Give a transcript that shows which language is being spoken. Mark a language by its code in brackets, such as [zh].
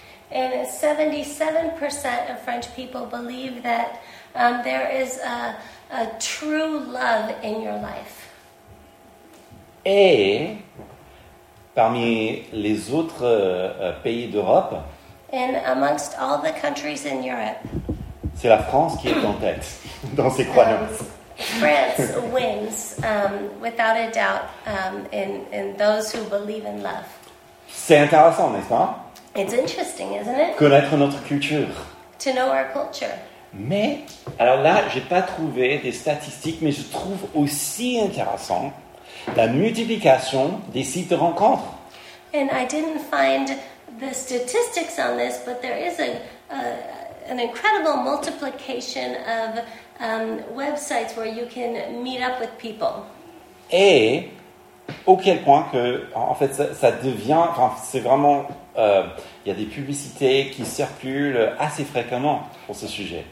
[en] And 77% of French people believe that there is a true love in your life. [fr] Et parmi les autres pays d'Europe, [en] and amongst all the countries in Europe, [fr] c'est la France qui est en tête dans ses croyances. [en] France wins without a doubt in those who believe in love. [fr] C'est intéressant, n'est-ce pas? [en] It's interesting, isn't it? [fr] Connaître notre culture. [en] To know our culture. [fr] Mais, alors là, je n'ai pas trouvé des statistiques, mais je trouve aussi intéressant la multiplication des sites de rencontres. [en] And I didn't find the statistics on this, but there is an incredible multiplication of websites where you can meet up with people. [fr] Et au quel point que, en fait, ça devient, enfin, c'est vraiment, il y a des publicités qui circulent assez fréquemment pour ce sujet.